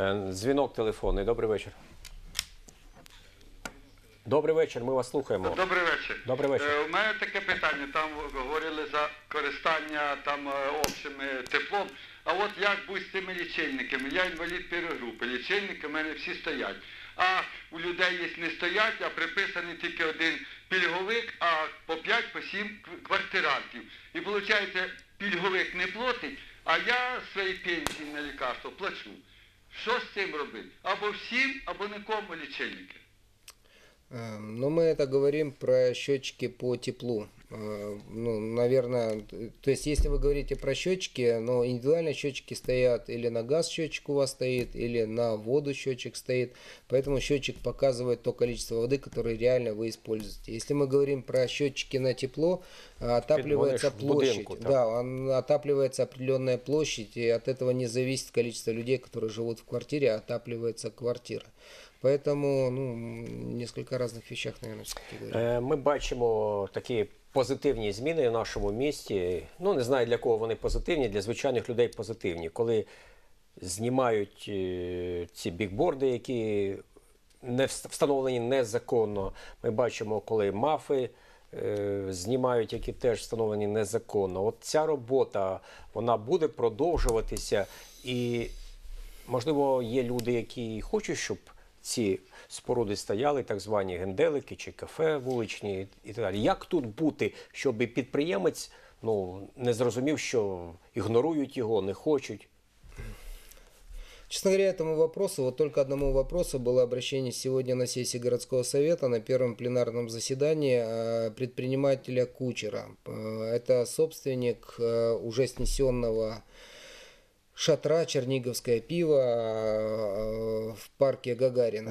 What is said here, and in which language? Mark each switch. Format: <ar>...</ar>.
<ru>Звонок телефонный. Добрый вечер. Добрый вечер, мы вас слушаем. Добрый вечер. Добрый вечер. У меня такое питание. Там говорили за користание там общим теплом. А вот как будет с теми лічильниками? Я инвалид первой группы. Лічильники у меня все стоят. А у людей есть не стоять,</ru> <uk>а приписаний тільки один пільговик, а по 5, по 7 квартирантів. І виходить, пільговик не платить, а я свої пенсії на лікарство плачу. Що з цим робити? Або всім, або нікому лічильники. Ну, ми це говоримо про</uk> <ru>счетчики по теплу. Ну, наверное, то есть если вы говорите про счетчики, но индивидуальные счетчики стоят или на газ счетчик у вас стоит, или на воду счетчик стоит, поэтому счетчик показывает то количество воды, которое реально вы используете. Если мы говорим про счетчики на тепло, отапливается площадь, да, он отапливается определенная площадь, и от этого не зависит количество людей, которые живут в квартире, а отапливается квартира. Поэтому, ну, несколько разных вещах, наверное, все-таки говорим. Мы</ru> <uk>бачим</uk> <ru>такие</ru> <uk>позитивні зміни в нашому місті. Ну, не знаю, для кого вони позитивні, для звичайних людей позитивні. Коли знімають ці бікборди, які не встановлені незаконно. Ми бачимо, коли мафи знімають, які теж встановлені незаконно. От ця робота, вона буде продовжуватися. І, можливо, є люди, які хочуть, щоб ці споруди стояли, так звані генделики чи кафе вуличні і так далі. Як тут бути, щоб підприємець, ну, не зрозумів, що ігнорують його, не хочуть?</uk> <ru>Честно говоря, этому вопросу, вот только одному вопросу было обращение сегодня на сессии городского совета, на первом пленарном заседании предпринимателя Кучера. Это собственник уже снесенного шатра «Черниговское пиво» в парке Гагарина.</ru>